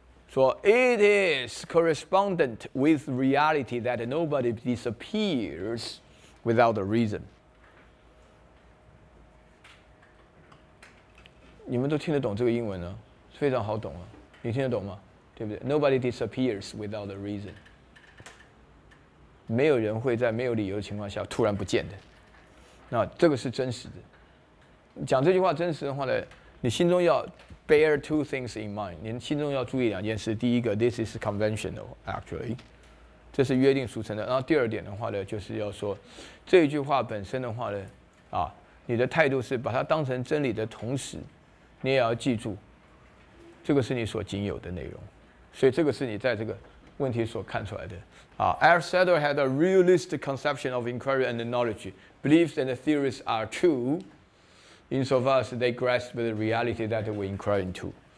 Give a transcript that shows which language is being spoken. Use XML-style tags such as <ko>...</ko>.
<en>说 It is correspondent with reality that nobody disappears without a reason。</en> <zh>你们都听得懂这个英文呢？非常好懂啊，你听得懂吗？对不对</zh> <en>？Nobody disappears without a reason。</en> <zh>没有人会在没有理由的情况下突然不见的。那这个是真实的。讲这句话真实的话呢，你心中要</zh> <en>bear two things in mind。</en> <zh>你心中要注意两件事：第一个 ，</zh> <en>this is conventional actually，</en> <zh>这是约定俗成的。然后第二点的话呢，就是要说这一句话本身的话呢，啊，你的态度是把它当成真理的同时，你也要记住，这个是你所仅有的内容。所以这个是你在这个问题所看出来的。</zh> <en>Aristotle had a realistic conception of inquiry and knowledge. Beliefs and theories are true, insofar as they grasp the reality that we inquire into.</en>